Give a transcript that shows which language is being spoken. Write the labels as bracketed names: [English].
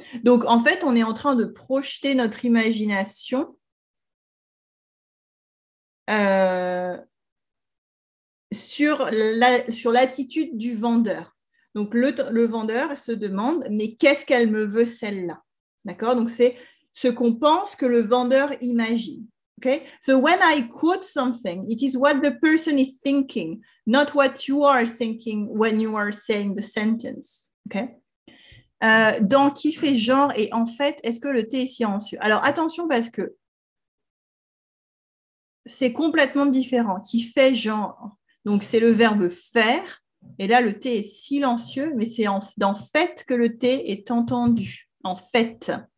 [French] Donc, en fait, on est en train de projeter notre imagination sur l'attitude du vendeur. Donc, le vendeur se demande, mais qu'est-ce qu'elle me veut, celle-là? D'accord? Donc, c'est ce qu'on pense que le vendeur imagine. [English] Okay? So when I quote something, it is what the person is thinking, not what you are thinking when you are saying the sentence. Okay? [French] Dans qui fait genre et en fait, est-ce que le T est silencieux? Alors attention parce que c'est complètement différent. Qui fait genre, donc c'est le verbe faire et là le T est silencieux, mais c'est dans fait que le T est entendu. En fait.